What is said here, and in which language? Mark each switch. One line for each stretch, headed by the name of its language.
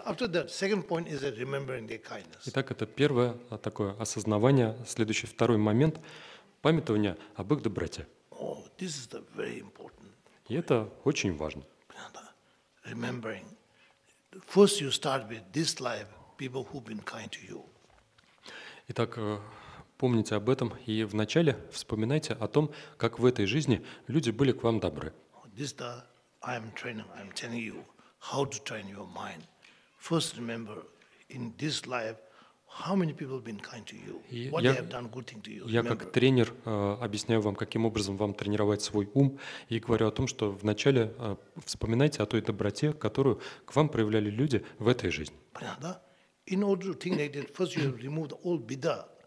English: After that, second point is remembering their kindness.
Russian: Итак, это первое такое осознавание. Следующий, второй момент – памятование об их доброте.
English: Oh, this is the very important.
Russian: И это очень важно.
English: Remembering, first you start with this life, people who've been kind to you.
Russian: Итак, помните об этом и вначале вспоминайте о том, как в этой жизни люди были к вам добры.
English: This is the I'm training. I'm telling you how to train your mind. First, remember, in this life, How many people have been kind to you? What they have done good thing to you?
Russian: Я как тренер объясняю вам, каким образом вам тренировать свой ум, и говорю о том, что вначале вспоминайте о той доброте, которую к вам проявляли люди в этой жизни. Понятно?
English: In order to think like that, first you have removed all bida.